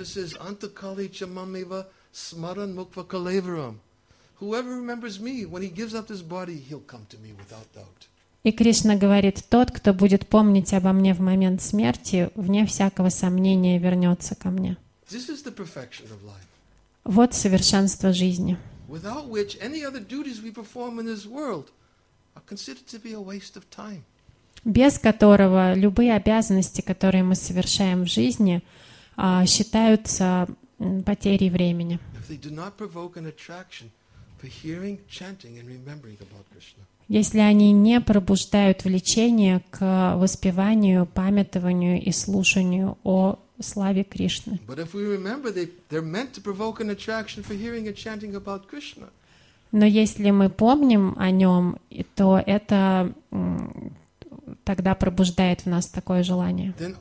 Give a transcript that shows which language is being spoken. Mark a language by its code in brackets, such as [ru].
[sa] Кришна [en] says, [sa] «Antakali chamameva smaran mukva kalevaram. [en] Whoever remembers me, when he gives up his body, he'll come to me without doubt». [ru] И Кришна говорит: «Тот, кто будет помнить обо мне в момент смерти, вне всякого сомнения вернется ко мне». [en] This is the perfection of life. [ru] Вот совершенство жизни. [en] Without which any other duties we perform in this world are considered to be a waste of time. [ru] Без которого любые обязанности, которые мы совершаем в жизни, считаются потерей времени. [en] If they do not provoke an attraction for hearing, chanting, and remembering about Krishna. [ru] Если они не пробуждают влечение к воспеванию, памятованию и слушанию о славе Кришны. [en] But if we remember, they're meant to provoke an attraction for hearing and chanting about Krishna. [ru] Но если мы помним о нем, то это тогда пробуждает в нас такое желание.